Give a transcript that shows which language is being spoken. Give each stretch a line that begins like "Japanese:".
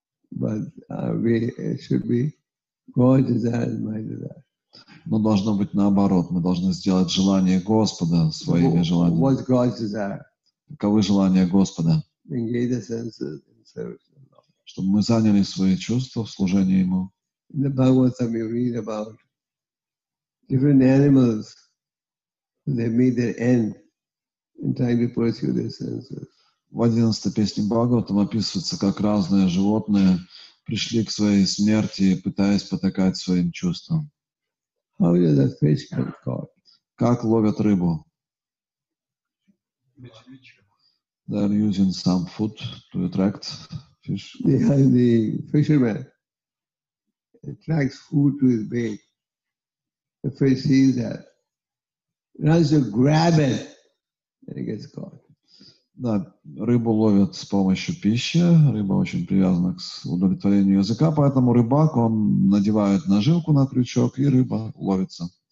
English: But it should be God's desire, my desire.
Russian: Но должно быть наоборот. Мы должны сделать желание Господа своими желаниями.
English: What's God's desire?
Russian: Каковы желания Господа?
English: Engage the senses in service.
Russian: Чтобы мы заняли свои чувства в служении Ему.
English: In the Bhagavatam you read about different animals. They meet their end in trying to pursue their senses.
Russian: В 11-й песне Бхагаватам описывается, как разные животные пришли к своей смерти, пытаясь потакать своим чувствам.
English: How does a fish get caught?
Russian: Как ловят рыбу?
English: They're using some food to attract fish. The fisherman attracts food to his bait. The fish sees that. Runs to grab it and it gets caught.
Russian: Да, рыбу ловят с помощью пищи. Рыба очень привязана к удовлетворению языка, поэтому рыбак, он надевает наживку на крючок, и рыба ловится.